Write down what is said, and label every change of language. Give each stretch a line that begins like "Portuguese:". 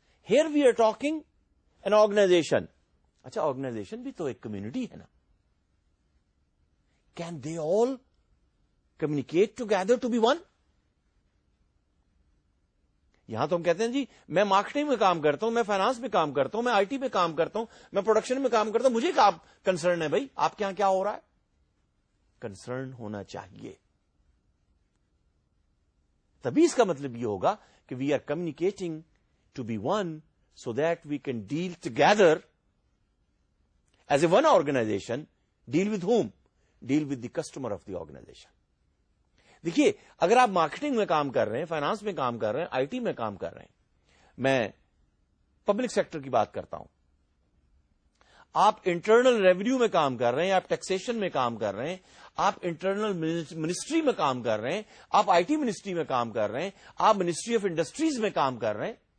English: Here we are talking an organization.
Urdu: اچھا, organization بھی تو ایک کمیونٹی ہے نا,
English: Can they all communicate together to be one?
Urdu: یہاں تو ہم کہتے ہیں جی میں مارکیٹنگ میں کام کرتا ہوں, میں فائنانس میں کام کرتا ہوں, میں آئی ٹی میں کام کرتا ہوں, میں پروڈکشن میں کام کرتا ہوں, مجھے کیا کنسرن ہے بھائی, آپ کے یہاں کیا ہو رہا ہے؟ کنسرن ہونا چاہیے, تبھی اس کا مطلب یہ ہوگا کہ
English: We are communicating to be one so that we can deal together as a one organization. Deal with whom? Deal with the customer of the organization.
Urdu: دیکھیے, اگر آپ مارکیٹنگ میں کام کر رہے ہیں, فائنانس میں کام کر رہے ہیں, آئی ٹی میں کام کر رہے ہیں, میں پبلک سیکٹر کی بات کرتا ہوں, آپ انٹرنل ریونیو میں کام کر رہے ہیں, آپ ٹیکسیشن میں کام کر رہے ہیں, آپ انٹرنل منسٹری میں کام کر رہے ہیں, آپ آئی ٹی منسٹری میں کام کر رہے ہیں, آپ منسٹری آف انڈسٹریز میں کام کر رہے ہیں,